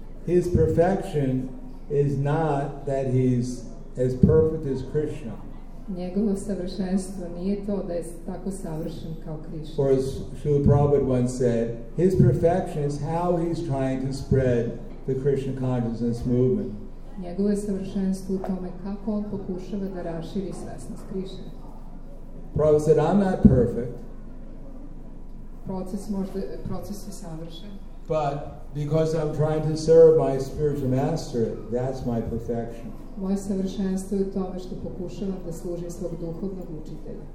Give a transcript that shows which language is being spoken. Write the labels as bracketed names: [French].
[English] His perfection is not that he's as perfect as Krishna. [Serbian] Njegovo savršenstvo nije to da je tako savršen kao Krishna. [English] For as Srila Prabhupada once said, his perfection is how he's trying to spread the Krishna consciousness movement. [Serbian] Njegovo je savršenstvo u tome kako on pokušava da raširi svesnost Krishna. [English] Prabhupada said, I'm not perfect. [Serbian] Proces je savršen. [English] But because I'm trying to serve my spiritual master, that's my perfection. [Serbian] Moje savršenstvo je tome što pokušavam da služim svog duhovnog učitelja.